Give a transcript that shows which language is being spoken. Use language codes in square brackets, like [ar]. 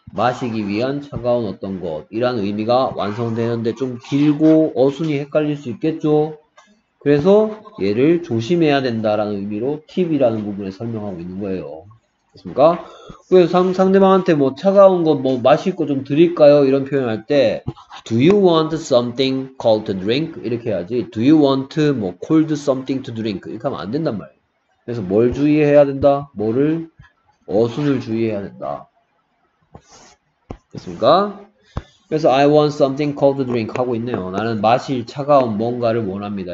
[ko] 마시기 위한 차가운 어떤 것이란 의미가 완성되는데 좀 길고 어순이 헷갈릴 수 있겠죠. 그래서 얘를 조심해야 된다라는 의미로 팁이라는 부분에 설명하고 있는 거예요. 됐습니까? 그래서 상대방한테 뭐 차가운 거 뭐 마실 거 좀 드릴까요? 이런 표현을 할 때 [en] Do you want something cold to drink? [ko] 이렇게 해야지. [en] Do you want 뭐 cold something to drink? [ko] 이렇게 하면 안 된단 말이에요. 그래서 뭘 주의해야 된다? 뭐를? 어순을 주의해야 된다. 됐습니까? 그래서 [en] I want something cold to drink [ko] 하고 있네요. 나는 마실 차가운 뭔가를 원합니다.